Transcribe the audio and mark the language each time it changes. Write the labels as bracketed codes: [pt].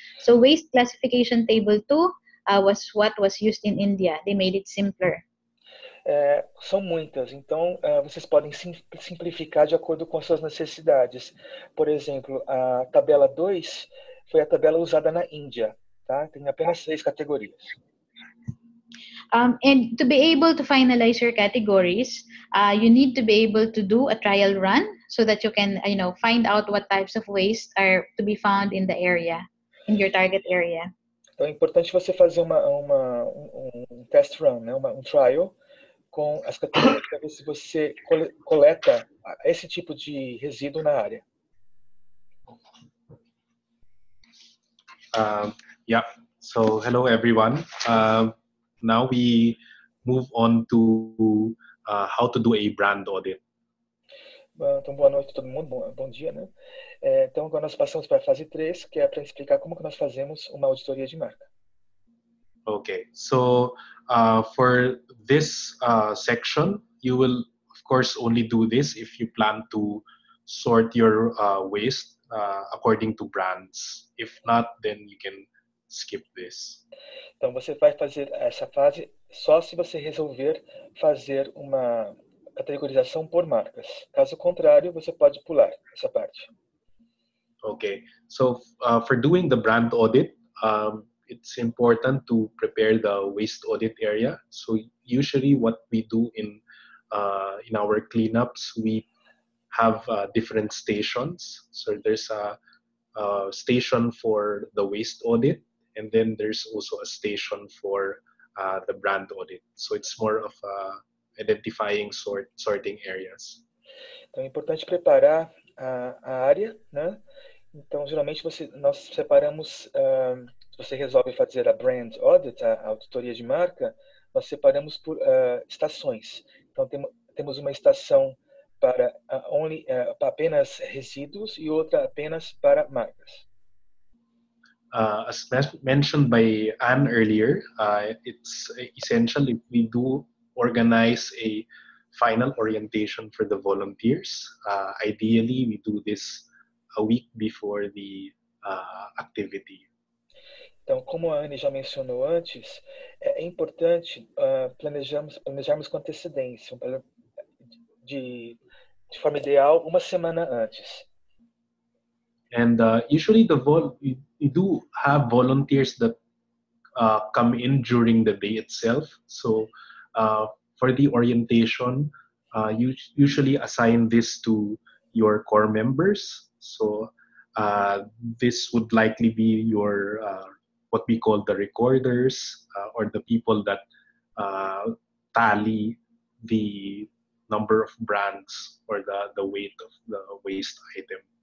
[en] So waste classification table 2 was what was used in India. They made it simpler. [pt] São muitas, então vocês podem simplificar de acordo com as suas necessidades. Por exemplo, a tabela 2 foi a tabela usada na Índia, tá? Tem apenas 6 categorias. [en] And to be able to finalize your categories, you need to be able to do a trial run so that you can, you know, find out what types of waste are to be found in the area, in your target area. [pt] Então, é importante você fazer um test run, né? Um trial com as categorias para ver se você coleta esse tipo de resíduo na área. [en] Yeah, so hello everyone. Now we move on to how to do a brand audit. [pt] Então, boa noite a todo mundo, bom dia, né? Então, agora nós passamos para a fase 3, que é para explicar como que nós fazemos uma auditoria de marca. [en] Okay, so for this section, you will, of course, only do this if you plan to sort your waste according to brands. If not, then you can skip this. [pt] Então, você vai fazer essa fase só se você resolver fazer uma categorização por marcas. Caso contrário, você pode pular essa parte. [en] Okay, so for doing the brand audit, it's important to prepare the waste audit area. So usually what we do in our cleanups, we have different stations. So there's a station for the waste audit, and then there's also a station for the brand audit. So it's more of a identifying sorting areas. [pt] Então é importante preparar a área, né? Então geralmente nós separamos, você resolve fazer a brand audit, a auditoria de marca, nós separamos por estações. Então temos uma estação para para apenas resíduos e outra apenas para marcas. [en] As mentioned by Anne earlier, it's essential if we do organize a final orientation for the volunteers. Ideally, we do this a week before the activity. [pt] Então, como a Anne já mencionou antes, é importante planejarmos com antecedência, de forma ideal, uma semana antes. [en] And usually we do have volunteers that come in during the day itself. So for the orientation, you usually assign this to your core members. So this would likely be your, what we call the recorders or the people that tally the number of brands or the weight of the waste item.